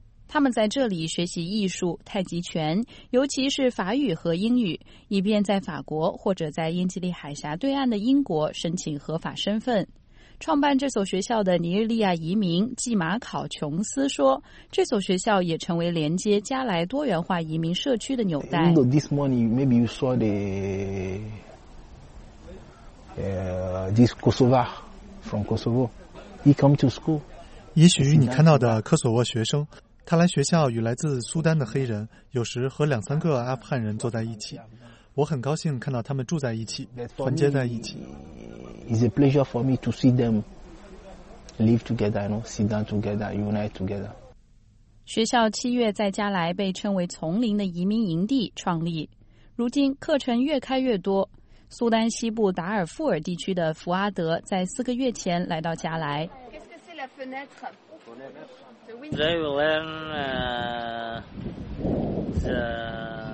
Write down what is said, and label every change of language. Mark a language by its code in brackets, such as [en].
[zh] 他们在这里学习艺术、太极拳，尤其是法语和英语，以便在法国或者在英吉利海峡对岸的英国申请合法身份。创办这所学校的尼日利亚移民季马考·琼斯说，这所学校也成为连接加莱多元化移民社区的纽带。 [en] This morning, maybe you saw the this Kosovar from Kosovo. He come to school. [zh] 也许你看到的科索沃学生，他来学校与来自苏丹的黑人，有时和两三个阿富汗人坐在一起。我很高兴看到他们住在一起，团结在一起。 [en] It's a pleasure for me to see them live together, you know, sit down together, unite together. [zh] 学校七月在加莱被称为丛林的移民营地创立，如今课程越开越多。苏丹西部达尔富尔地区的福阿德在四个月前来到加莱。 [en] They will learn,